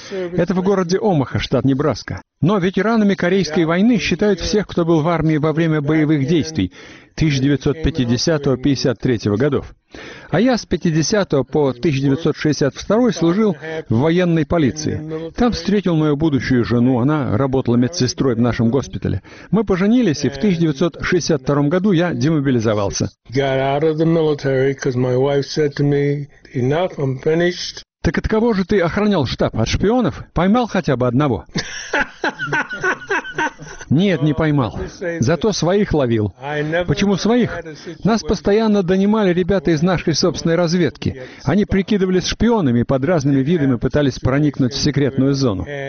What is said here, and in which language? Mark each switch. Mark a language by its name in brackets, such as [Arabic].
[Russian] Это в городе Омаха, штат Небраска. Но ветеранами Корейской войны считают всех, кто был в армии во время боевых действий 1950-53 годов. А я с 50 по 1962 служил в военной полиции. Там встретил мою будущую жену, она работала медсестрой в нашем госпитале. Мы поженились, и в 1962 году я демобилизовался. [English] Got out of the military, because my wife said to me, "Enough, I'm finished." [Russian] Так от кого же ты охранял штаб? От шпионов? Поймал хотя бы одного? Нет, не поймал. Зато своих ловил. Почему своих? Нас постоянно донимали ребята из нашей собственной разведки. Они прикидывались шпионами, под разными видами пытались проникнуть в секретную зону.